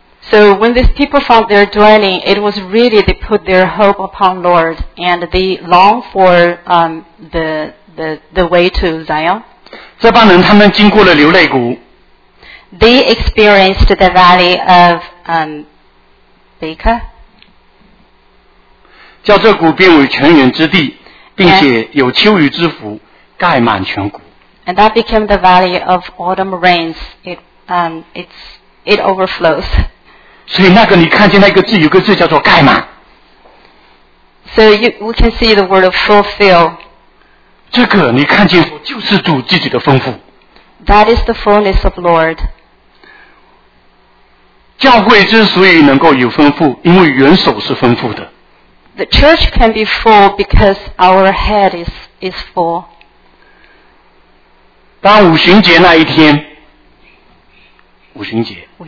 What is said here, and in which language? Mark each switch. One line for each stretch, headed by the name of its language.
English: So when these people found their dwelling, it was really they put their hope upon Lord, and they longed for the way to Zion.
Chinese: 这帮人他们经过了流泪谷。
English: They experienced the valley of Baca.
Chinese: 叫这谷变为泉源之地，并且有秋雨之福，盖满全谷。
English: And that became the valley of autumn rains. It overflows.
Chinese: 所以那个你看见那个字有个字叫做盖满。
English: So we can see the word of fulfill.
Chinese: 这个你看见就是主自己的丰富。
English: That is the fullness of Lord.
Chinese: 教会之所以能够有丰富，因为元首是丰富的。
English: The church can be full because our head is full.
Chinese: 当五旬节那一天，五旬节，